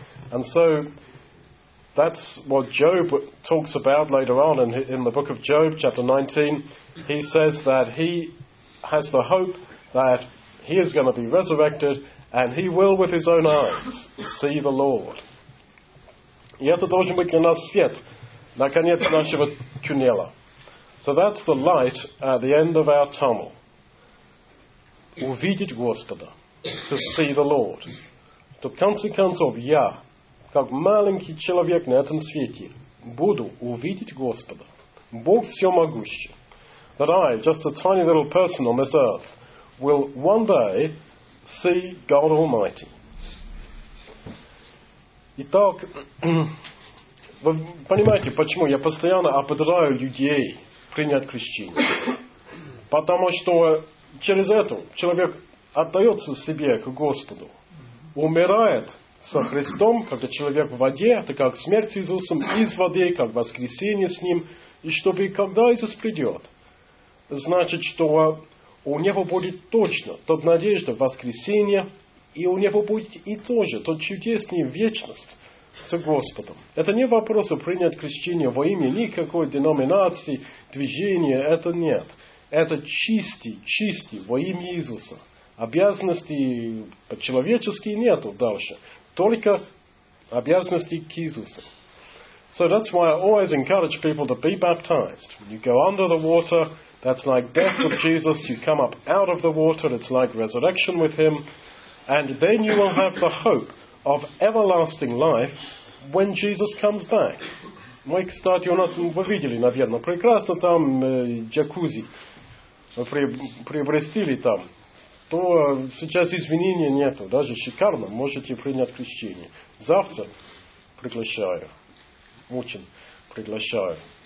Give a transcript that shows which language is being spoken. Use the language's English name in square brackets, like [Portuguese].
[English] And so that's what Job talks about later on in the book of Job, chapter 19. He says that he has the hope that he is going to be resurrected, and he will with his own eyes see the Lord. [Russian] И это должен быть для нас свет на конец нашего туннеля. [English] So that's the light at the end of our tunnel. [Russian] Увидеть Господа. [English] To see the Lord. [Russian] То в конце концов я, как маленький человек на этом свете, буду увидеть Господа. Бог всемогущий. [English] That I, just a tiny little person on this earth, will one day see God Almighty. [Russian] Итак, вы понимаете, почему я постоянно ободряю людей принять крещение? Потому что через это человек отдается себе к Господу, умирает со Христом, когда человек в воде, это как смерть с Иисусом, из воды, как воскресение с Ним, и чтобы когда Иисус придет, значит, что у него будет точно тот надежда воскресения, и у него будет и тоже тот чудесный вечность с Господом. Это не вопрос принять крещение во имя никакой деноминации, движения, это нет. Это чистый во имя Иисуса. Обязанностей по-человечески нету дальше. Только обязанности к Иисусу. [English] So that's why I always encourage people to be baptized. When you go under the water, that's like death of Jesus. You come up out of the water, it's like resurrection with him. And then you will have the hope of everlasting life when Jesus comes back. [Russian] Мы, кстати, у нас, вы видели, наверное, прекрасно там джакузи приобрестили там. То сейчас извинения нету, даже шикарно, можете принять крещение. Завтра приглашаю, очень приглашаю.